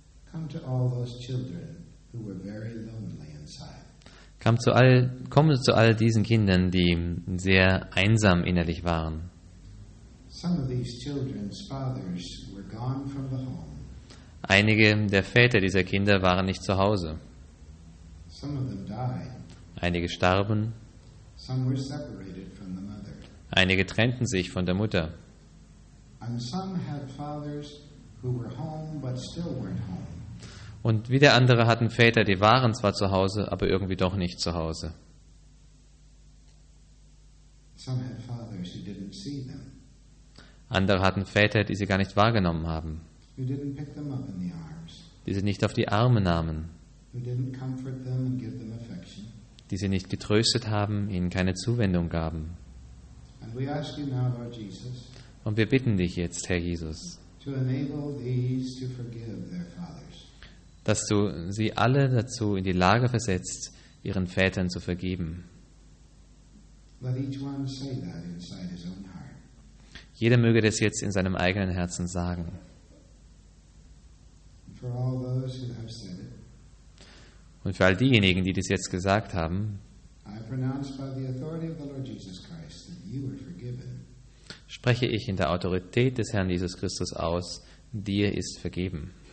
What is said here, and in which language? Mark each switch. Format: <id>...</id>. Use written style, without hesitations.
<en>Come to all those children who were very lonely inside.</en> <de>Komm zu all diesen Kindern, die sehr einsam innerlich waren.</de> <en>Some of these children's fathers were gone from the home.</en> <de>Einige der Väter dieser Kinder waren nicht zu Hause.</de> <en>Some of them died.</en> <de>Einige starben.</de> <en>Some were separated from the mother.</en> <de>Einige trennten sich von der Mutter.</de> <en>And some had fathers who were home but still weren't home.</en> <de>Und wieder andere hatten Väter, die waren zwar zu Hause, aber irgendwie doch nicht zu Hause.</de> <en>Some had fathers who didn't see them.</en> <de>Andere hatten Väter, die sie gar nicht wahrgenommen haben.</de> <en>Who didn't pick them up in the arms.</en> <de>Die sie nicht auf die Arme nahmen.</de> <en>Who didn't comfort them and give them affection.</en> <de>Die sie nicht getröstet haben, ihnen keine Zuwendung gaben.</de> <en>And we ask you now, Lord Jesus,</en> <de>und wir bitten dich jetzt, Herr Jesus,</de> <en>to enable these to forgive their fathers.</en> <de>Dass du sie alle dazu in die Lage versetzt, ihren Vätern zu vergeben.</de> <en>Let each one say that inside his own heart.</en> <de>Jeder möge das jetzt in seinem eigenen Herzen sagen.</de> <en>For all those who have said it,</en> <de>und für all diejenigen, die das jetzt gesagt haben,</de> <en>I pronounce by the authority of the Lord Jesus Christ that you are forgiven.</en> <de>Spreche ich in der Autorität des Herrn Jesus Christus aus, dir ist vergeben.</de>